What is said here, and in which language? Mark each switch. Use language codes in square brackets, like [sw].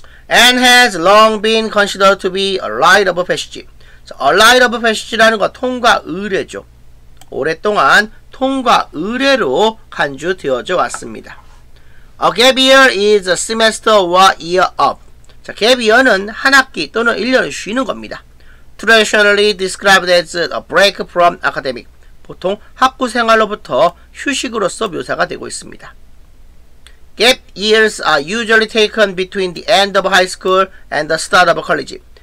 [en] And has long been considered to be a rite of passage. [ko] So, a rite of passage라는 건 통과 의례죠. 오랫동안 통과 의례로 간주되어져 왔습니다. [en] A gap year is a semester or year off. 자, [ko] gap year는 한 학기 또는 1년을 쉬는 겁니다. [en] Traditionally described as a break from academic. [ko] 보통 학구 생활로부터 휴식으로서 묘사가 되고 있습니다. [en] Gap years are usually taken between the end of high school and the start of college.